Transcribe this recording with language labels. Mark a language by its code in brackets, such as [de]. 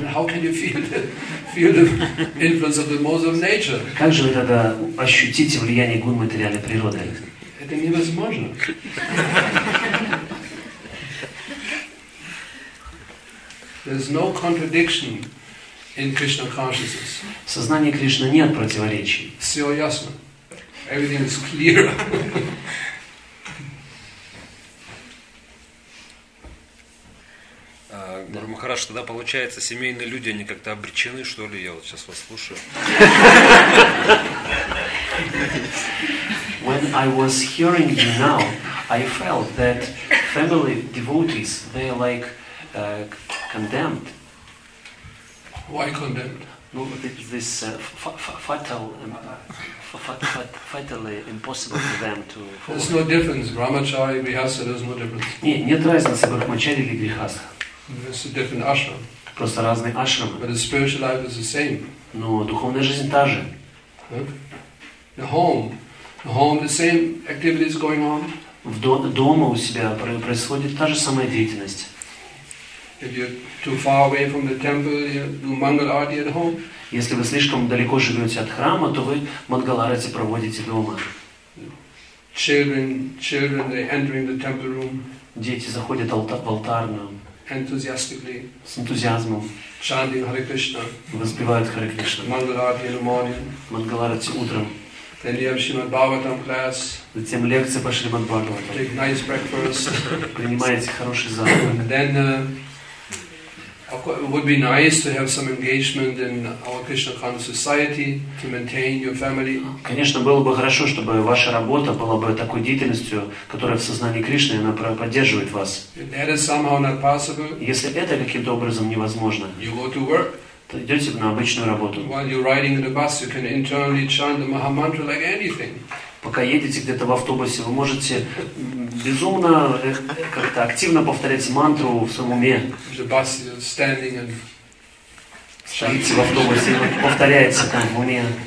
[en] How can you feel the influence of the modes of nature? [ru] Как же вы тогда ощутите влияние гун материальной природы? Это невозможно. [en] There's no contradiction in Krishna consciousness. [ru] В сознании Кришны нет противоречий. Все ясно. [en] Everything is clear. [ru] Гуру Махарадж, тогда получается, семейные люди, они как-то обречены, что ли? Я вот сейчас вас слушаю. [en] When I was hearing you now, I felt that family devotees, they are like condemned. Why condemned? No, this fatally impossible for them to follow. There's no difference. Brahmachari, Grihastha, there's no difference. [ru] Нет разницы, Брахмачари или Грихастха. [en] It's a different ashram. [ru] Просто разные ашрамы. [en] But the spiritual life is the same. [ru] Но духовная жизнь та же. Huh? [en] The home, the same activity is going on. [ru] В дома у себя происходит та же самая деятельность. [en] If you're too far away from the temple, you do mangal arati at home. [ru] Если вы слишком далеко живете от храма, то вы мангал арати проводите дома. [en] Children, they're entering the temple room. [ru] Дети заходят в алтарную. [en] Enthusiastically, [ru] с энтузиазмом, [en] chanting Hare Krishna, [ru] воспевают Hare Krishna, [en] Mangalarati in the morning, [ru] Mangalarati утром, [en] then you have Shrimad Bhagavatam class, [ru] затем лекция по Шримад Бхагаватам, [en] take nice breakfast, [ru] принимаете хороший завтрак, [en] then of course, it would be nice to have some engagement in our Krishna conscious society to maintain your family. [ru] Конечно, было бы хорошо, чтобы ваша работа была бы такой деятельностью, которая в сознании Кришны она поддерживает вас. [en] If that is somehow not possible, [ru] если это каким-то образом невозможно, [en] you go to work. [ru] То идете на обычную работу. [en] While you're riding in the bus, you can internally chant the Maha Mantra like anything. [ru] Пока едете где-то в автобусе, вы можете безумно как-то активно повторять мантру в своем уме. Стоите в автобусе, повторяете там в уме.